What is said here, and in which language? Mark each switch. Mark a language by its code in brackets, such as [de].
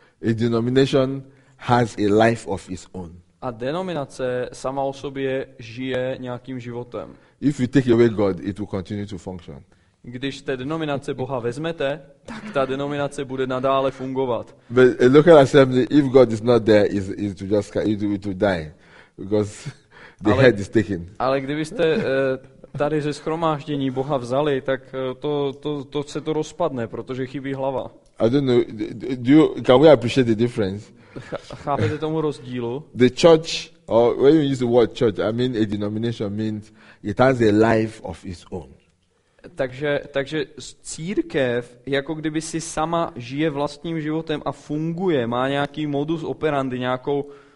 [en] A denomination has a life of its own. [cs] A denominace sama o sobě žije nějakým životem. [en] If you take away God, it will continue to function. [cs] Když té denominace Boha vezmete, tak ta denominace bude nadále fungovat. [en] But a local assembly, if God is not there, is to just it will die, because the head is taken. [cs] Ale kdybyste tady ze shromáždění Boha vzali, tak to se to rozpadne, protože chybí hlava. [en] I don't know. Can we appreciate the difference? [cs] Chápete tomu rozdílu? [en] The church, or when you use the word church, I mean a denomination means it has a life of its own. [cs] Takže církev, jako kdyby si sama žije vlastním životem a funguje, má nějaký modus operandi, nějakou.